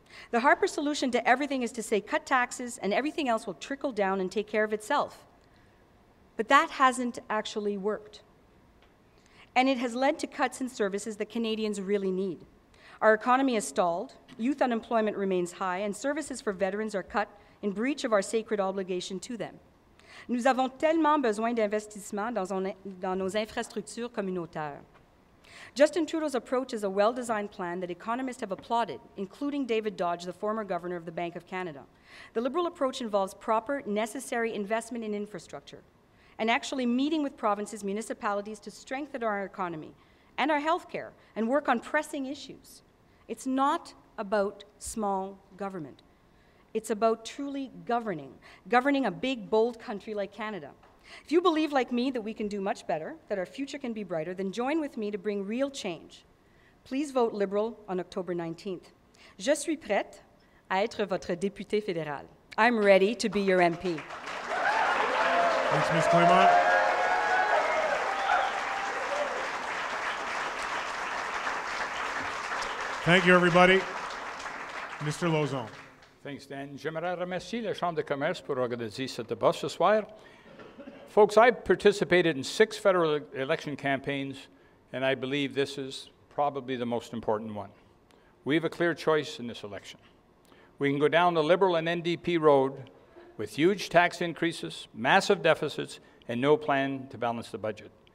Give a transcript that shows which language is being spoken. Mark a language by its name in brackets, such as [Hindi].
[English] The Harper solution to everything is to say cut taxes and everything else will trickle down and take care of itself. But that hasn't actually worked. And it has led to cuts in services that Canadians really need. Our economy is stalled, youth unemployment remains high, and services for veterans are cut in breach of our sacred obligation to them. [French] Nous avons tellement besoin d'investissements dans nos infrastructures communautaires. [English] Justin Trudeau's approach is a well-designed plan that economists have applauded, including David Dodge, the former governor of the Bank of Canada. The Liberal approach involves proper, necessary investment in infrastructure and actually meeting with provinces, municipalities to strengthen our economy and our healthcare and work on pressing issues. It's not about small government. It's about truly governing a big, bold country like Canada. If you believe, like me, that we can do much better, that our future can be brighter, then join with me to bring real change. Please vote Liberal on October 19th. [French] Je suis prête à être votre député fédéral. [English] I'm ready to be your MP. Thanks, Ms. Clermont. Thank you, everybody. Mr. Lauzon. Thanks, Dan. [French] J'aimerais remercier la Chambre de commerce pour organiser ce débat ce soir. [English] Folks, I've participated in 6 federal election campaigns, and I believe this is probably the most important one. We have a clear choice in this election. We can go down the Liberal and NDP road with huge tax increases, massive deficits, and no plan to balance the budget.